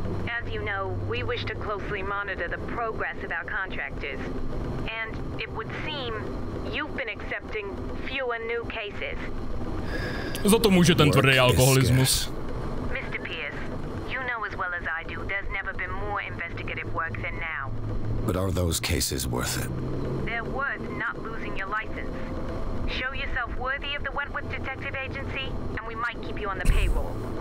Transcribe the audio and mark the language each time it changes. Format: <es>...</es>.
<en>As you know, we wish to closely monitor the progress of our contractors. And it would seem you've been accepting fewer new cases.</en> <cs>Za to může ten tvrdý alkoholismus.</cs> <en>Mr. Pierce, you know as well as I do, there's never been more investigative work than now. But are those cases worth it? They're worth not losing your license. Show yourself worthy of the Wentworth Detective Agency, and we might keep you on the payroll.</en>